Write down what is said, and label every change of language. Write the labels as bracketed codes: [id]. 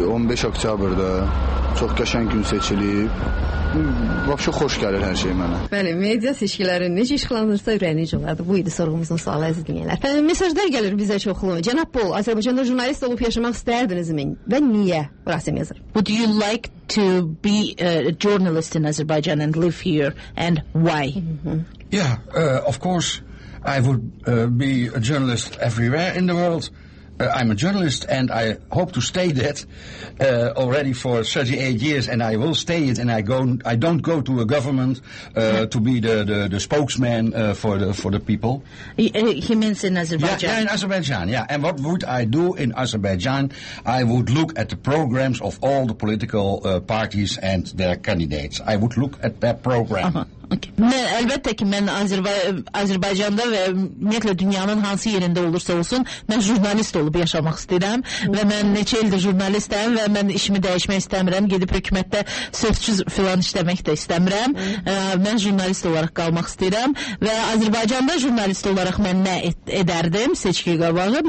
[az] 15 oktyabrda Çox qəşəng gün seçilib. Vəbşə xoş gəlir hər şey mənə. Bəli, media seçkiləri necə işıqlanırsa ürəyiniz olardı. Bu idi sorğumuzun sualı, əziz dinləyənlər. Mesajlar gəlir bizə çoxlu. Cənab Pol, Azərbaycanda jurnalist olub yaşamaq istəyərdinizmi? Və niyə? Rasim yazır. [en] Would you like to be a journalist in Azerbaijan and live here and why? Mm-hmm. Yeah, of course I would be a journalist everywhere in the world. I'm a journalist and I hope to stay that already for 38 years, and I will stay it, and I don't go to a government to be the spokesman for the people. He means in Azerbaijan. Yeah, in Azerbaijan, yeah. And what would I do in Azerbaijan? I would look at the programs of all the political parties and their candidates. I would look at their program. Uh-huh. [az] Mən, əlbəttə ki, mən Azərbaycanda və ümumiyyətlə dünyanın hansı yerində olursa olsun, mən jurnalist olub yaşamaq istəyirəm və mən neçə ildir jurnalistəm və mən işimi dəyişmək istəmirəm, gedib hökumətdə sözçü filan işləmək də istəmirəm. Mən jurnalist olaraq qalmaq istəyirəm və Azərbaycanda jurnalist olaraq mən nə edərdim seçki qabağı?